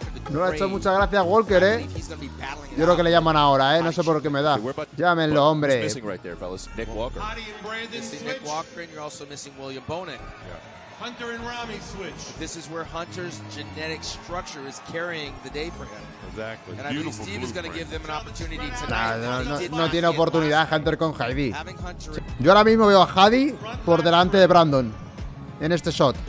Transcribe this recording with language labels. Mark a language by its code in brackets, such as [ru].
[es] No le ha hecho mucha gracia a Walker, Yo creo que le llaman ahora, No sé por qué me da. Llámenlo, hombre. [en] Missing right there, fellas. Nick Walker. Nick Walker, and you're also missing William Bonac. Hunter and Rami switch. This is where Hunter's genetic structure is carrying the day for him. Exactly. And I believe Steve is going to give them an opportunity tonight. [es] No tiene oportunidad Hunter con Heidi. Yo ahora mismo veo a Heidi por delante de Brandon en este shot.